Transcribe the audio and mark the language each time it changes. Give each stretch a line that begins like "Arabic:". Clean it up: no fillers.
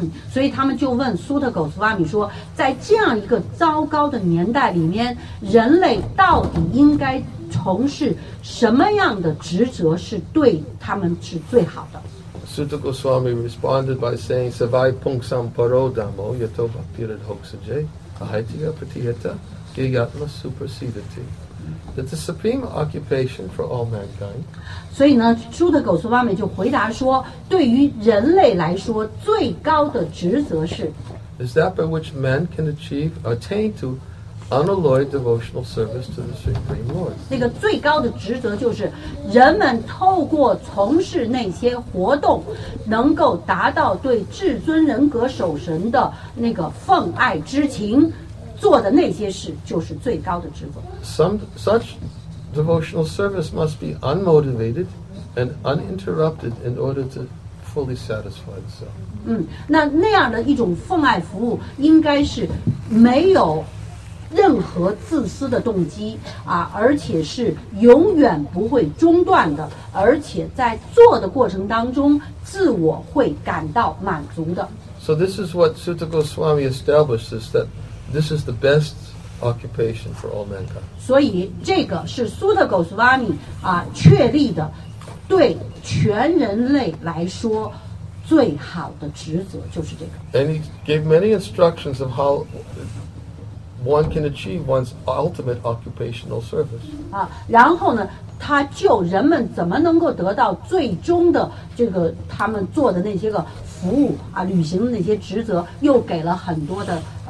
Chinese: 所以他们就问苏特狗苏阿米说，在这样一个糟糕的年代里面，人类到底应该从事什么样的职责是对他们是最好的？
Sanskrit: 苏特狗苏阿米
English: responded by saying,
Sanskrit: "Savai pungsam paro damo yato bhaktirat hoksaje ahaitiya patiyata yatma supersedati."
English: That the supreme occupation for all mankind.
Chinese: 所以呢，苏特狗苏巴美就回答说，对于人类来说，最高的职责是
English: is that by which men can achieve attain to unalloyed devotional service to the supreme Lord.
Chinese: 那个最高的职责就是人们透过从事那些活动，能够达到对至尊人格守神的那个奉爱之情。做的那些事就是最高的职责。
English: Some such devotional service must be unmotivated and uninterrupted in order to fully satisfy the self.
Chinese: 那样的一种奉爱服务应该是没有任何自私的动机而且是永远不会中断的，而且在做的过程当中，自我会感到满足的。
English: So this is what Sutta Goswami establishes that. This is the best occupation for all mankind.
Chinese: 所以这个是苏特狗苏瓦米确立的对全人类来说最好的职责就是这个。
English: And he gave many instructions of how one can achieve one's ultimate occupational service.
Chinese: 然后呢，他就人们怎么能够得到最终的这个他们做的那些个服务履行的那些职责，又给了很多的。